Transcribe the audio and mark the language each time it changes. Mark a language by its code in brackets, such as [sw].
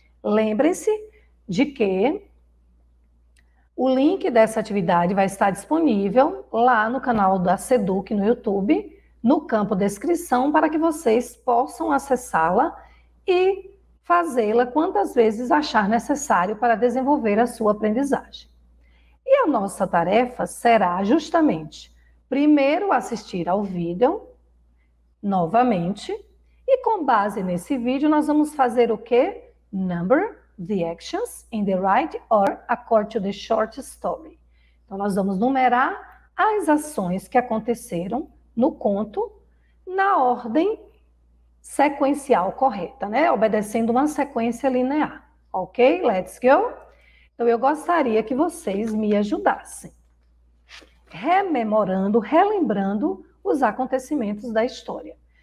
[pt] Lembrem-se de que o link dessa atividade vai estar disponível lá no canal da Seduc no YouTube, no campo descrição, para que vocês possam acessá-la e fazê-la quantas vezes achar necessário para desenvolver a sua aprendizagem. E a nossa tarefa será justamente, primeiro, assistir ao vídeo novamente, e com base nesse vídeo, nós vamos fazer o quê? [en] Number the actions in the right or according to the short story. [pt] Então, nós vamos numerar as ações que aconteceram no conto, na ordem sequencial correta, né? Obedecendo uma sequência linear. Ok? [en] Let's go. [pt] Então, eu gostaria que vocês me ajudassem, rememorando, relembrando os acontecimentos da história.